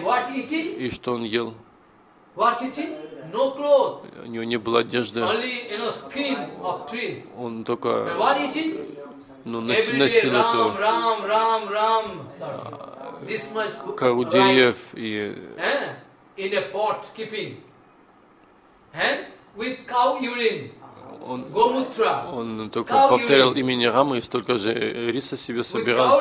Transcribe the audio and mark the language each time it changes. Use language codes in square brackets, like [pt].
[ru] И что он ел? У него не было одежды. Он только носил эту кору деревьев и [en] in a pot keeping, and with cow urine, gomutra. [ru] Он только повторял имени Рамы и столько же риса себе собирал.